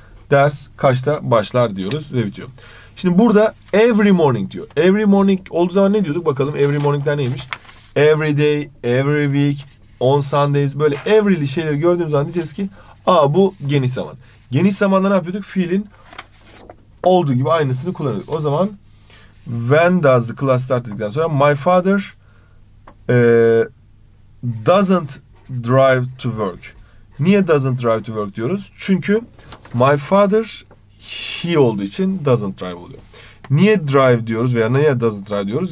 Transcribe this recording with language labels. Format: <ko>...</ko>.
<tr>Ders kaçta başlar diyoruz ve bitiyor. Şimdi burada</tr> <en>every morning</en> <tr>diyor.</tr> <en>Every morning</en> <tr>olduğu zaman ne diyorduk bakalım?</tr> <en>Every morning'ler</en> <tr>neymiş?</tr> <en>Every day, every week, on Sundays.</en> <tr>Böyle every'li şeyleri gördüğümüz zaman diyeceğiz ki aa, bu geniş zaman. Geniş zamanda ne yapıyorduk? Fiilin olduğu gibi aynısını kullanıyorduk. O zaman</tr> <en>when does the class start</en> <tr>dedikten sonra</tr> <en>my father doesn't drive to work.</en> <tr>Niye</tr> <en>doesn't drive to work</en> <tr>diyoruz? Çünkü</tr> <en>my father he</en> <tr>olduğu için</tr> <en>doesn't drive</en> <tr>oluyor. Niye</tr> <en>drive</en> <tr>diyoruz veya niye</tr> <en>doesn't drive</en> <tr>diyoruz?</tr>